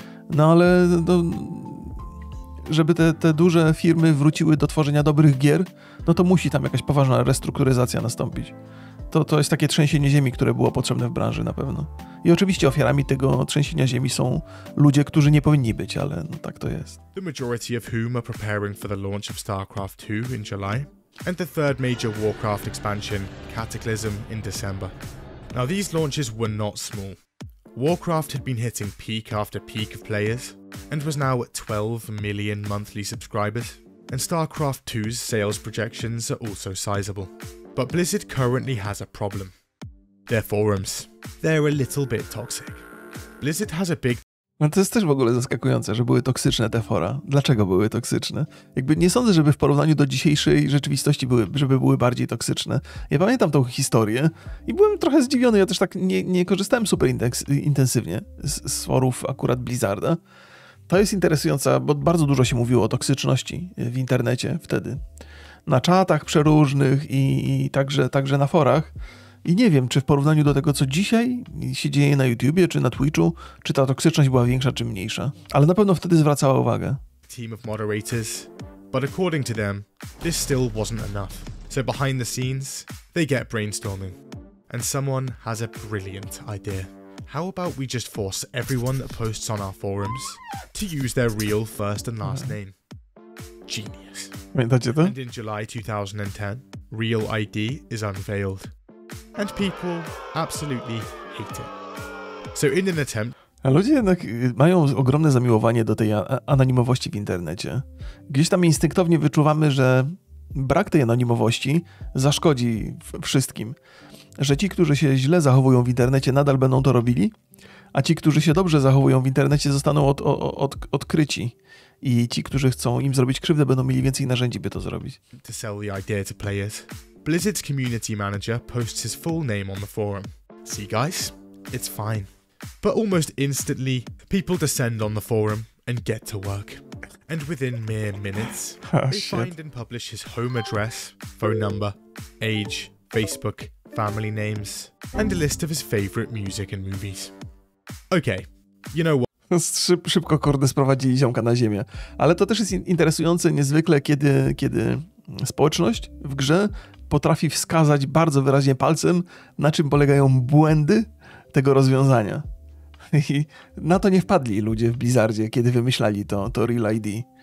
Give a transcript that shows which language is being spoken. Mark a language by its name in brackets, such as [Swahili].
[Polish] No ale no, żeby te duże firmy wróciły do tworzenia dobrych gier, no to musi tam jakaś poważna restrukturyzacja nastąpić. To jest takie trzęsienie ziemi, które było potrzebne w branży na pewno. I oczywiście ofiarami tego trzęsienia ziemi są ludzie, którzy nie powinni być, ale no tak to jest. [English] The majority of whom are preparing for the launch of StarCraft 2 in July and the third major Warcraft expansion, Cataclysm, in December. Now these launches were not small. Warcraft had been hitting peak after peak of players and was now at 12 million monthly subscribers. And StarCraft 2's sales projections are also sizable. But Blizzard currently has a problem. Their forums. They're a little bit toxic. Blizzard has a big... [Polish] No to jest też w ogóle zaskakujące, że były toksyczne te fora. Dlaczego były toksyczne? Jakby nie sądzę, żeby w porównaniu do dzisiejszej rzeczywistości były bardziej toksyczne. Ja pamiętam tą historię i byłem trochę zdziwiony. Ja też tak nie korzystałem super intensywnie z forów akurat Blizzarda. To jest interesujące, bo bardzo dużo się mówiło o toksyczności w internecie wtedy. na czatach przeróżnych i także na forach. I nie wiem, czy w porównaniu do tego, co dzisiaj się dzieje na YouTubie, czy na Twitchu, czy ta toksyczność była większa, czy mniejsza. Ale na pewno wtedy zwracała uwagę. [English] Team of moderators. But according to them, this still wasn't enough. So behind the scenes, they get brainstorming. And someone has a brilliant idea. How about we just force everyone that posts on our forums to use their real first and last name? Genius. [Polish] Pamiętacie to? [English] And in July 2010, Real ID is unveiled. And people absolutely hate it. So in an attempt... [Polish] A ludzie jednak mają ogromne zamiłowanie do tej anonimowości w internecie. Gdzieś tam instynktownie wyczuwamy, że brak tej anonimowości zaszkodzi wszystkim. Że ci, którzy się źle zachowują w internecie, nadal będą to robili, a ci, którzy się dobrze zachowują w internecie, zostaną odkryci. I ci, którzy chcą im zrobić krzywdę, będą mieli więcej narzędzi, by to zrobić. [English] To sell the idea to players. Blizzard's community manager posts his full name on the forum. See guys, it's fine. But almost instantly, people descend on the forum and get to work. And within mere minutes, find and publish his home address, phone number, age, Facebook, family names, and a list of his favorite music and movies. Okay, you know what? [Polish] Szybko kordy sprowadzili ziomka na ziemię. Ale to też jest interesujące niezwykle, kiedy społeczność w grze potrafi wskazać bardzo wyraźnie palcem, na czym polegają błędy tego rozwiązania. I na to nie wpadli ludzie w Blizzardzie, kiedy wymyślali to Real ID.